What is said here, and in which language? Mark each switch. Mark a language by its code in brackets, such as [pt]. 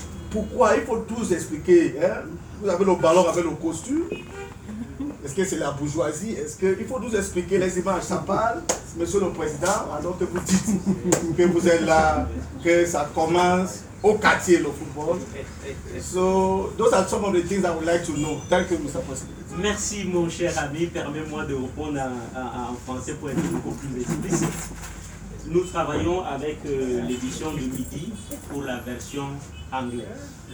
[fr] Pourquoi? Il faut tous expliquer. Hein? Vous avez le ballon avec le costume. Est-ce que c'est la bourgeoisie? Est-ce que... Il faut nous expliquer les images. Ça parle, monsieur le président, alors que vous dites que vous êtes là, que ça commence au quartier, le football. [en] So, those are some of the things I would like to know. Thank you, Mr. President. [fr] Merci, mon cher ami. Permets-moi de répondre en français pour être beaucoup plus explicite. Nous travaillons avec l'édition du Midi pour la version anglaise.